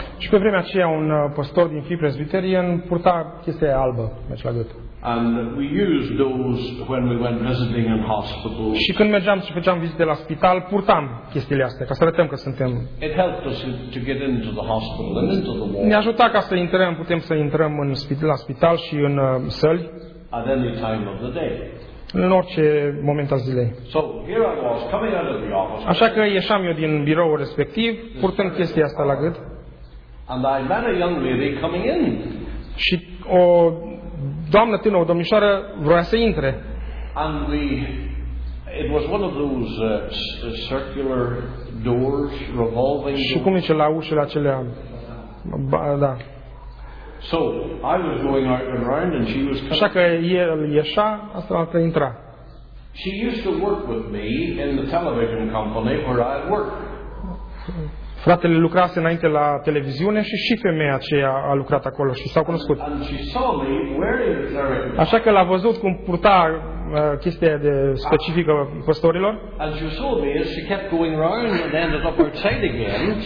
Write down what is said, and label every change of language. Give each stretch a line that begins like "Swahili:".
Romanian: Și pe vremea aceea un pastor din Free Presbyterian purta chestia albă, mergea la gât.
English: And we used those when we went visiting in hospitals.
Romanian: Și când mergeam și făceam vizite la spital, purtam chestiile astea, ca să arătăm că suntem.
English: It helped us to get into the hospital and into the ward.
Romanian: Ne ajuta ca să intrăm, putem să intrăm în spital, la spital și în săli.
English: At any time of the day.
Romanian: În orice moment al zilei.
English: So, here I was, coming out of the office.
Romanian: Așa că ieșam eu din biroul respectiv, purtând chestia asta la gât.
English: And I met a young lady coming in.
Romanian: Și o doamnă tânără, o domnișoară, vroia să intre.
English: And we, it was one of those circular doors revolving.
Romanian: Și cum zice, la ușile acelea. Da.
English: So, I was going out and around and she was coming.
Romanian: Așa că el ieșa, astfel intra.
English: She used to work with me in the television company where I had worked.
Romanian: Fratele lucrase înainte la televiziune și femeia aceea a lucrat acolo și s-au cunoscut.
English: And she saw me wearing the clerical.
Romanian: Așa că l-a văzut cum purta chestia de specifică păstorilor.
English: And she saw me as she kept going round and ended up outside again.